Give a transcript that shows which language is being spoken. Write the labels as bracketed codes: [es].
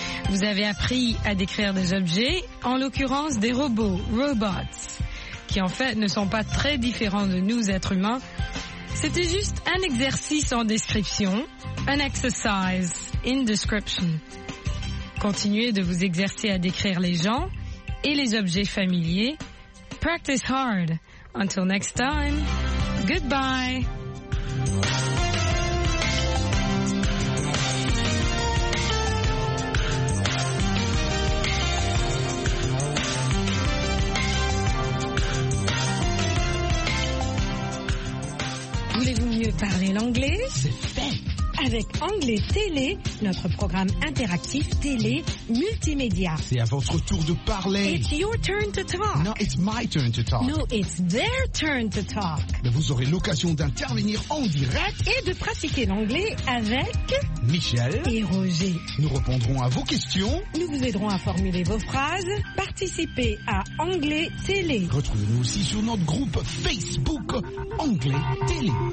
[fr] Vous avez appris à décrire des objets, en l'occurrence des robots, robots, qui en fait ne sont pas très différents de nous, êtres humains. C'était juste un exercice en description, [en] an exercise in description. [fr] Continuez de vous exercer à décrire les gens et les objets familiers. [en] Practice hard. Until next time, goodbye. [fr] Voulez-vous mieux parler l'anglais? C'est fait! Avec Anglais Télé, notre programme interactif télé multimédia. C'est à votre tour de parler. [en] It's your turn to talk. No, it's my turn to talk. No, it's their turn to talk. [fr] Mais vous aurez l'occasion d'intervenir en direct et de pratiquer l'anglais avec Michel et Roger. Nous répondrons à vos questions. Nous vous aiderons à formuler vos phrases. Participez à Anglais Télé. Retrouvez-nous aussi sur notre groupe Facebook Anglais Télé.